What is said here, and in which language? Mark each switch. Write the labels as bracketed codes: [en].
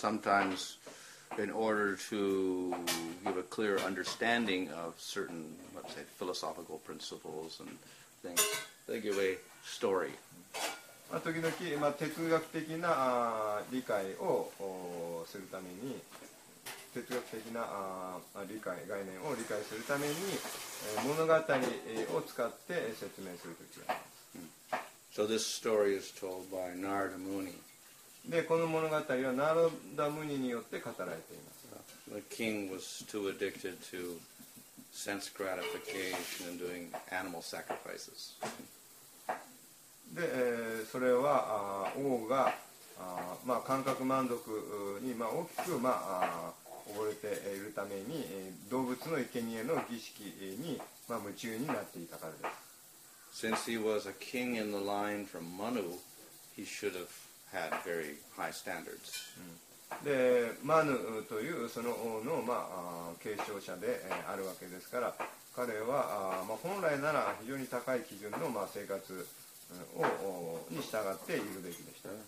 [en] Sometimes, in order to give a clear understanding of certain, let's say, philosophical principles and things, they give a story. [ja] まあ、時々、まあ、哲学的な理解をするために哲学的な理解概念を理解するために物語を使って説明するときがあります。 [en] So this story is told by Narada Muni. [ja] でこの物語はナラダムニによって語られています。 [en] The king was too addicted to sense gratification and doing animal sacrifices. [ja] でそれは王が、まあ、感覚満足に、まあ、大きく、まあ、溺れているために動物の生贄の儀式に、まあ、夢中になっていたからです。 [en] Since he was a king in the line from Manu, he should have had very high standards. [ja] で、マヌというその王の、まあ、継承者であるわけですから、彼は、まあ、本来なら非常に高い基準の、まあ、生活に従っているべきでした。